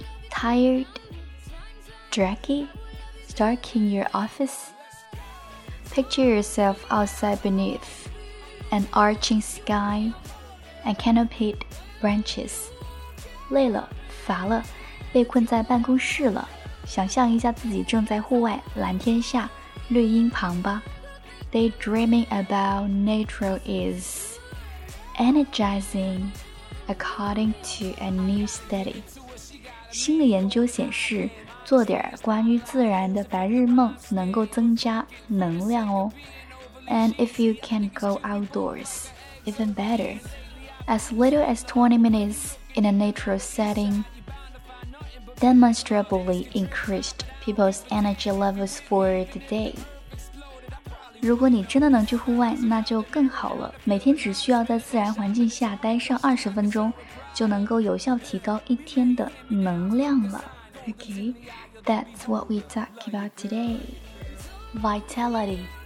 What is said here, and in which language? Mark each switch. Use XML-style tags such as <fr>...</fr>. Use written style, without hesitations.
<en>Tired, draggy, stuck in your office, picture yourself outside beneath an arching sky and canopied branches。</en> <zh>累了，乏了，被困在办公室了，想象一下自己正在户外蓝天下绿荫旁吧。</zh> <en>Daydreaming about nature is energizing according to a new study。</en> <zh>新的研究显示，做点关于自然的白日梦能够增加能量哦。</zh> <en>And if you can go outdoors, even better, as little as 20 minutes in a natural settingDemonstrably increased people's energy levels for the day.</en> <zh>如果你真的能去户外，那就更好了。每天只需要在自然环境下待上20分钟，就能够有效提高一天的能量了。</zh> <en>Okay, that's what we talk about today. Vitality,</en>